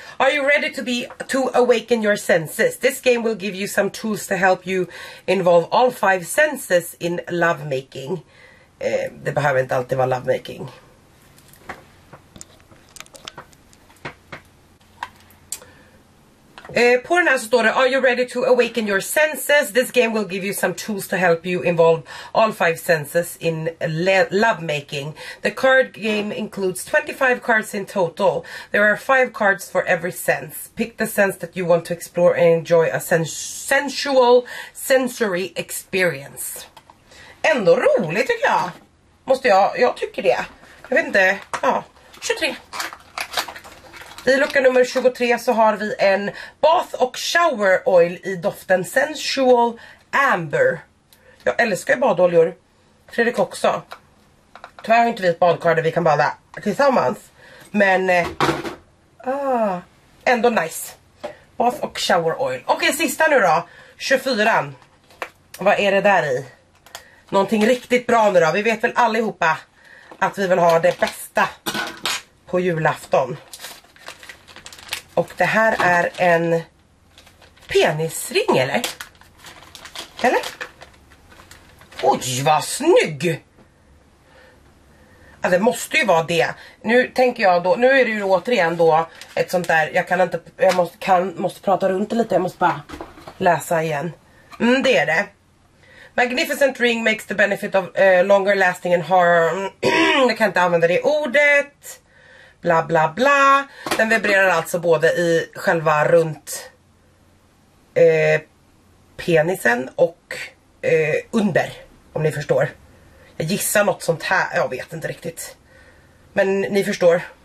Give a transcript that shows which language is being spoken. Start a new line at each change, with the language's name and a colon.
English: Are you ready to awaken your senses? This game will give you some tools to help you involve all five senses in lovemaking.
Swedish: Det behöver inte alltid vara lovemaking. På den här så står det,
English: are you ready to awaken your senses? This game will give you some tools to help you involve all five senses in lovemaking. The card game includes 25 cards in total. There are 5 cards for every sense. Pick the sense that you want to explore and enjoy a sensual sensory experience.
Swedish: Ändå roligt tycker jag. Måste jag tycker det. Jag vet inte, ja, 23. I lucka nummer 23 så har vi en bath och
English: shower oil
Swedish: i doften Sensual Amber. Jag älskar badoljor. Fredrik också. Tyvärr har inte vi ett badkar där vi kan bada tillsammans. Men ändå nice. Bath och shower oil. Okej, sista nu då. 24. Vad är det där i? Någonting riktigt bra nu då. Vi vet väl allihopa att vi vill ha det bästa på julafton. Och det här är en penisring, eller? Eller? Oj, vad snygg! Ja, det måste ju vara det. Nu tänker jag då, nu är det ju återigen då ett sånt där, jag kan inte, jag måste, kan, måste prata runt lite, jag måste bara läsa igen. Mm, det är det.
English: Magnificent ring makes the benefit of longer lasting and harm.
Swedish: Jag kan inte använda det ordet. Bla bla bla. Den vibrerar alltså både i själva runt penisen och under, om ni förstår. Jag gissar något sånt här, jag vet inte riktigt. Men ni förstår.